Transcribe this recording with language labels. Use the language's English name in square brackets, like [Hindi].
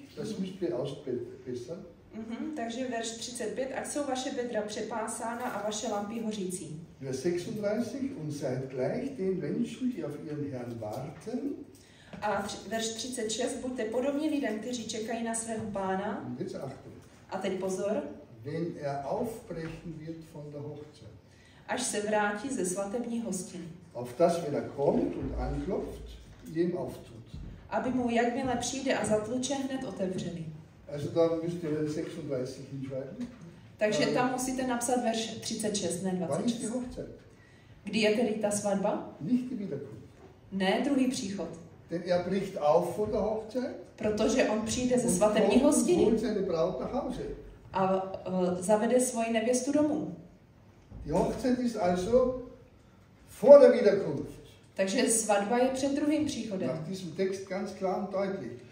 [German] Das müsst ihr ausbessern. [Czech] Takže verš 35. Ať jsou vaše bedra přepásána a vaše lampy hořící. [German] Vers 36. Und seid gleich den Menschen, die auf ihren Herrn warten. [Czech] A verš 36. Buďte podobně lidem, kteří čekají na svého pána. [German] Und jetzt achtung. [Czech] A teď pozor. [German] Wenn er aufbrechen wird von der Hochzeit. [Czech] Až se vrátí ze svatební hostiny. [German] Auf das, wenn er kommt und anklopft, jim auftut. [Czech] Aby mu jakmile přijde a zatluče, hned otevřeli. [German] Also da müsst ihr 36 hinschreiben. [Czech] Takže tam musíte napsat verš 36, ne 26. Kdy je tedy ta svatba? [German] Nicht die Wiederkunft. [Czech] Ne, druhý příchod. [German] Denn er bricht auf vor der Hochzeit. [Czech] Protože on přijde ze svatební hostiny. [German] Holt seine Braut nach Hause. [Czech] A zavede svoji nevěstu domů. [German] Die Hochzeit ist also vor der Wiederkunft. [Czech] Takže svatba je před druhým příchodem. [German] Nach diesem Text ganz klar und deutlich.